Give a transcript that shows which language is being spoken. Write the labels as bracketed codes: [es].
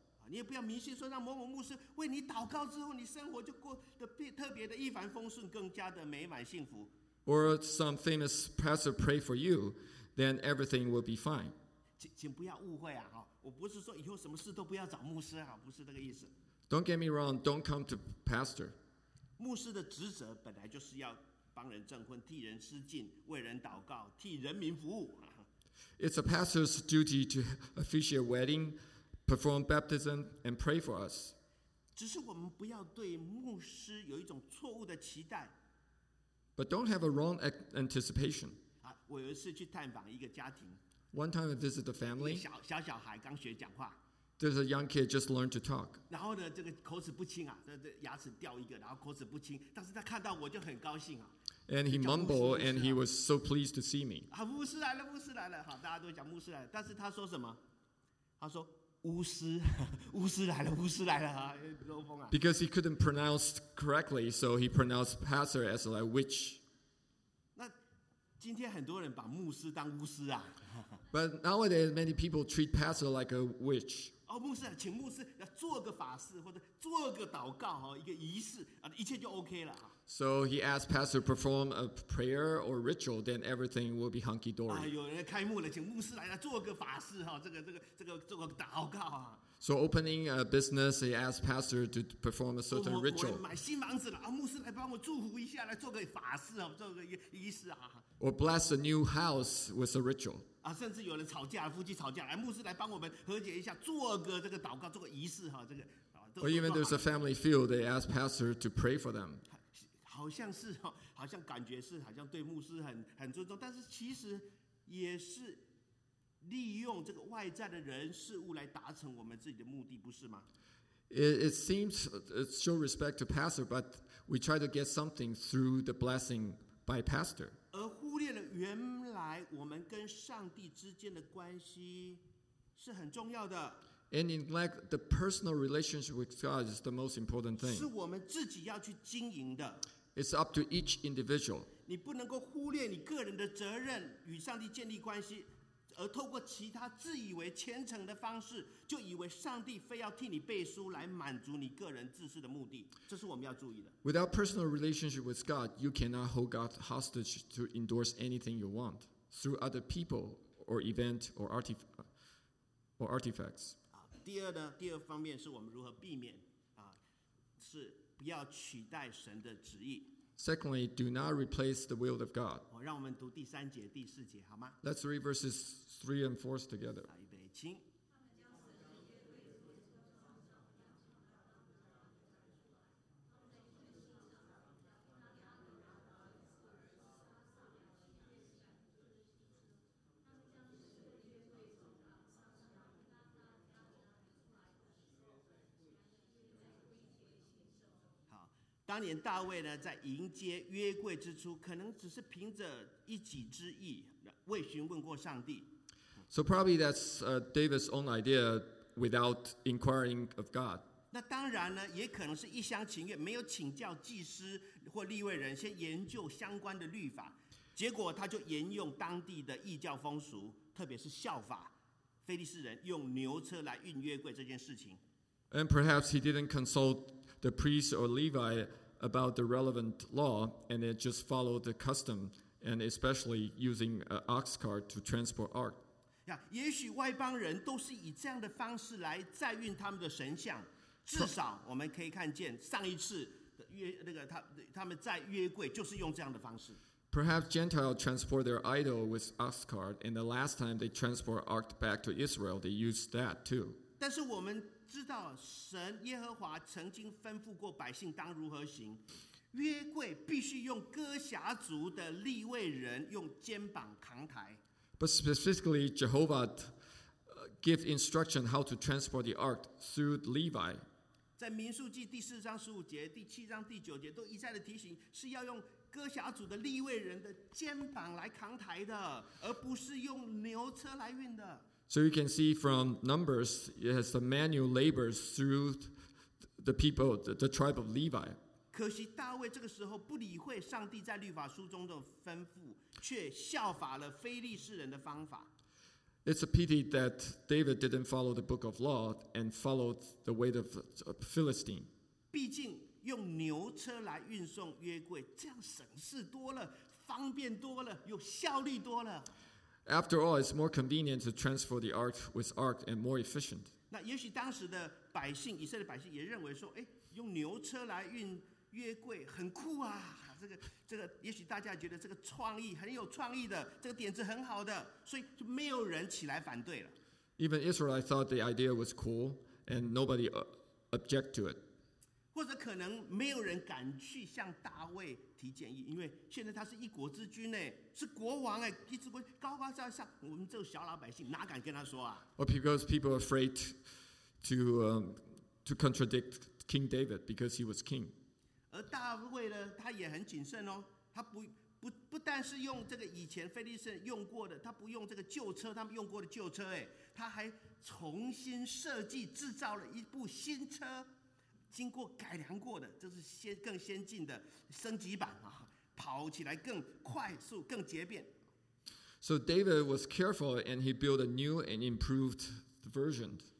[zh] 你也不要迷信说让某某牧师为你祷告之后你生活就过得特别的一帆风顺，更加的美满幸福。 [en] Or some famous pastor pray for you, then everything will be fine. [zh] 请不要误会啊，我不是说以后什么事都不要找牧师啊，不是这个意思。 [en] Don't get me wrong, don't come to pastor. [zh] 牧师的职责本来就是要帮人证婚，替人施浸，为人祷告，替人民服务。 [en] It's a pastor's duty to officiate wedding, perform baptism, and pray for us. [zh] 只是我们不要对牧师有一种错误的期待。 [en] But don't have a wrong anticipation. [zh] 我有一次去探访一个家庭。 [en] One time I visit the family. [zh] 小小孩刚学讲话。 [en] There's a young kid just learned to talk. [zh] 然后呢，这个口齿不清啊，牙齿掉一个，然后口齿不清。但是他看到我就很高兴啊。 [en] And he mumbled, and he was so pleased to see me. [zh] 啊，牧师来了，牧师来了，好，大家都讲牧师来了。但是他说什么？他说巫师，巫师来了，巫师来了，漏风啊。 [en] Because he couldn't pronounce correctly, so he pronounced pastor as a witch. [zh] 那今天很多人把牧师当巫师啊。 [en] But nowadays, many people treat pastor like a witch. [zh] 哦，牧师啊，请牧师要做个法事或者做个祷告哈，一个仪式啊，一切就 OK 了。 [en] So he asked pastor to perform a prayer or ritual, then everything will be hunky dory. [zh] 有人开幕了，请牧师来做个法事哈，这个做个祷告啊。 [en] So opening a business, he asked pastor to perform a certain ritual. [zh] 我买新房子了啊，牧师来帮我祝福一下，来做个法事啊，做个仪式啊。 [en] Or bless a new house with a ritual. [zh] 啊，甚至有人吵架，夫妻吵架，来牧师来帮我们和解一下，做个这个祷告，做个仪式哈，这个。 [en] Or even there's a family feud, they ask pastor to pray for them. [zh] 好像是，好像感觉是，好像对牧师很尊重，但是其实也是利用这个外在的人事物来达成我们自己的目的，不是吗 [en] ？It seems show respect to pastor, but we try to get something through the blessing by pastor. [zh] 而忽略了原来我们跟上帝之间的关系是很重要的。 [en] And in like the personal relationship with God is the most important thing. [zh] 是我们自己要去经营的。 [en] It's up to each individual. [zh] 你不能够忽略你个人的责任与上帝建立关系，而透过其他自以为虔诚的方式，就以为上帝非要替你背书来满足你个人自私的目的，这是我们要注意的。 [en] Without personal relationship with God, you cannot hold God hostage to endorse anything you want through other people or event or artifacts. [zh] 第二呢，第二方面是我们如何避免是不要取代神的旨意。 [en] Secondly, do not replace the will of God. [zh] 让我们读第三节、第四节，好吗？ [en] Let's read verses 3 and 4 together. [zh] 预备，请。当年大卫呢，在迎接约柜之初，可能只是凭着一己之意，未询问过上帝。 [en] So probably that's David's own idea without inquiring of God. [zh] 那当然呢，也可能是一厢情愿，没有请教祭司或利未人，先研究相关的律法，结果他就沿用当地的异教风俗，特别是效法腓利士人用牛车来运约柜这件事情。 [en] And perhaps he didn't consult. The priest or Levi about the relevant law, and it just followed the custom, and especially using an ox cart to transport ark. Yeah, [zh] 也许外邦人都是以这样的方式来载运他们的神像。至少我们可以看见上一次的约那个他们载约柜就是用这样的方式。 [en] Perhaps Gentiles transport their idol with ox cart, and the last time they transport ark back to Israel, they used that too. [zh] 但是我们知道神耶和华曾经吩咐过百姓当如何行，约柜必须用歌辖族的利未人用肩膀扛抬。 [en] But specifically, Jehovah gave instruction how to transport the ark through Levi. [zh] 在民数记第四章十五节、第七章第九节都一再的提醒，是要用歌辖族的利未人的肩膀来扛抬的，而不是用牛车来运的。 [en] So you can see from Numbers, it has the manual labors through the people, the tribe of Levi. [zh] 可惜大卫这个时候不理会上帝在律法书中的吩咐，却效法了非利士人的方法。 [en] It's a pity that David didn't follow the book of law and followed the way of Philistine. [zh] 毕竟用牛车来运送约柜，这样省事多了，方便多了，有效率多了。 [en] After all, it's more convenient to transfer the ark with ark and more efficient. [zh] 那也许当时的百姓，以色列百姓也认为说，哎，用牛车来运约柜很酷啊！这个，也许大家觉得这个创意很有创意的，这个点子很好的，所以就没有人起来反对了。 [en] Even Israel, I thought the idea was cool, and nobody object to it. [zh] 或者可能没有人敢去向大卫。提建议，因为现在他是一国之君呢，是国王哎，一直国高高在上，我们这个小老百姓哪敢跟他说啊 [en] ？Or because people are afraid to contradict King David because he was king. [zh] 而大卫呢，他也很谨慎哦，他不但是用这个以前腓利士人用过的，他不用这个旧车，他们用过的旧车哎，他还重新设计制造了一部新车。经过改良过的，这是更先进的升级版啊，跑起来更快速、更捷便。 [en] So David was careful, and he built a new and improved version.